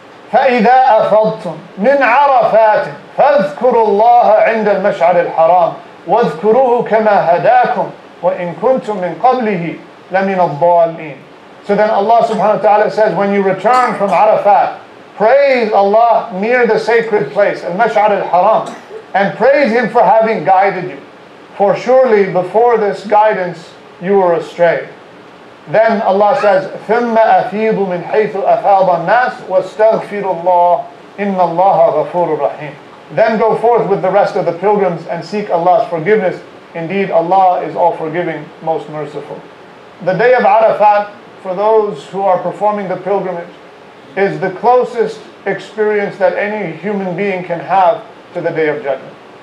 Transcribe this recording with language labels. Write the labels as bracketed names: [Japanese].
[Arabic] فَإِذَا أَفَضْتُمْ مِنْ عَرَفَاتٍ فَاذْكُرُوا اللَّهَ عِنْدَ الْمَشْعَرِ الْحَرَامِ وَاذْكُرُوهُ كَمَا هَدَاكُمْ وَإِنْ كُنْتُمْ مِنْ قَبْلِهِ لَمِنَ الضَّالِّينَ. [English] So then Allah subhanahu wa ta'ala says, when you return from Arafat, praise Allah near the sacred place, al-Mash'ar al-Haram, and praise Him for having guided you. For surely before this guidance, you were astray. Then Allah says, [Arabic] ثُمَّ أَفِيضُ مِنْ حَيْثُ أَفَاضَ النَّاسُ وَاسْتَغْفِرُ اللَّهُ إِنَّ اللَّهَ غَفُورُ الرَّحِيمُ. [English] Then go forth with the rest of the pilgrims and seek Allah's forgiveness. Indeed, Allah is all-forgiving, most merciful. The day of Arafat, for those who are performing the pilgrimage, is the closest experience that any human being can have to the Day of Judgment.